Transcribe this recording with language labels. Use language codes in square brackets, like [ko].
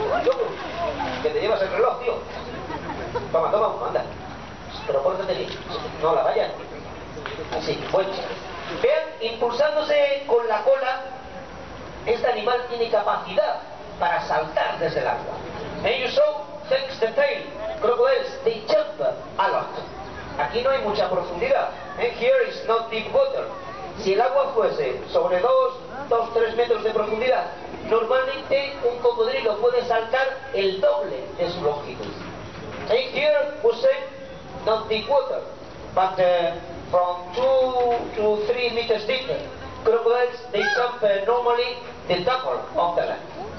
[es] ¿Eh? Que te llevas el reloj, tío. Toma, toma, anda. Pero pórtate bien. No la vayas. Así, buen chico. Vean, impulsándose con la cola, este animal tiene capacidad para saltar desde el agua. [en] And you saw, thanks the tail, crocodiles, they jump a lot. [es] Aquí no hay mucha profundidad. [en] And here is not deep water. [es] Si el agua fuese sobre 2, 3 metros de profundidad, normalmente un cocodrilo puede saltar el doble de su longitud. [en] And here we say, not deep water, but from 2 to 3 meters deeper, crocodiles, they jump normally the double of the length.